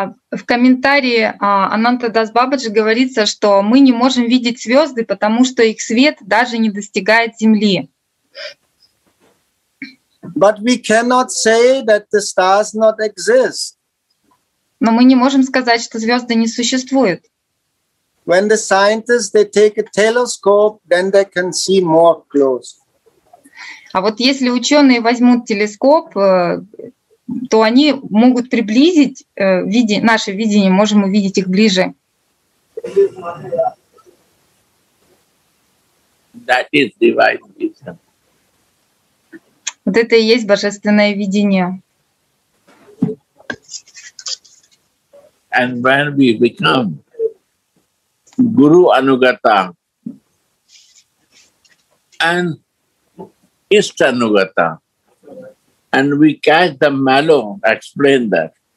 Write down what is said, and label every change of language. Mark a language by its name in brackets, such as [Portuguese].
[Russian] В комментарии Ананта Дас Бабаджи говорится, что мы не можем видеть звезды, потому что их свет даже не достигает Земли. [English] But we cannot say that the stars not exist. [Russian] Но мы не можем сказать, что звезды не существуют. [English] When the scientists they take a telescope, then they can see more close. [Russian] А вот если ученые возьмут телескоп, то они могут приблизить наше видение, можем увидеть их ближе. [English] That is divine vision. [Russian] Вот это и есть божественное видение. [English] And when we become Guru Anugata and Ishta Anugata, and we catch the mellow, explain that.